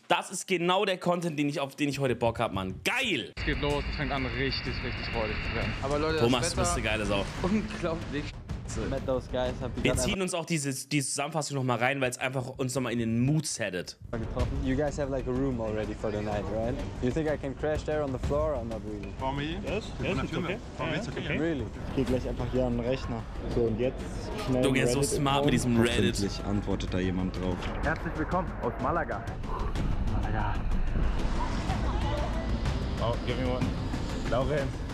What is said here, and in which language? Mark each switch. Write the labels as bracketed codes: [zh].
[de] das ist genau der Content, auf den ich heute Bock habe, Mann. Geil! Es geht los, es fängt an, richtig, richtig freudig zu werden. Aber Leute, Thomas, du bist eine geile Sau. Unglaublich. Wir ziehen uns auch die Zusammenfassung nochmal rein, weil es einfach uns nochmal in den Mood settet. [en] You guys have like a room already for the night, right? You think I can crash there on the floor or not really? For me? Yes, yes, it's okay. For me, it's okay. Really? [de] Ich geh gleich einfach hier an den Rechner. So, und jetzt schnell. Du gehst so smart mit diesem Reddit. Hoffentlich antwortet da jemand drauf. Herzlich willkommen aus Malaga. Malaga. [en] Oh, give me one. Lauren.